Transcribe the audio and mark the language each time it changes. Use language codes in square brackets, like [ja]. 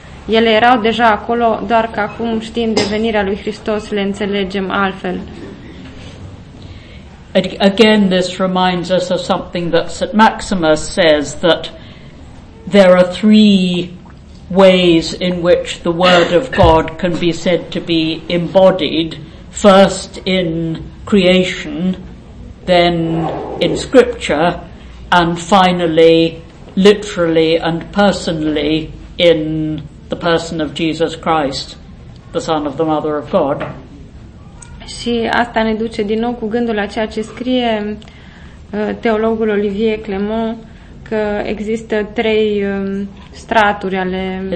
[ro] Ele erau deja acolo, doar că acum știind de venirea lui Hristos le înțelegem altfel. [en] Again, this reminds us of something that St. Maximus says, that there are three ways in which the Word of God can be said to be embodied. First in creation, then in scripture, and finally, literally and personally, in the person of Jesus Christ, the Son of the Mother of God. [ro] Și asta ne duce din nou cu gândul la ceea ce scrie teologul Olivier Clément, că există trei straturi ale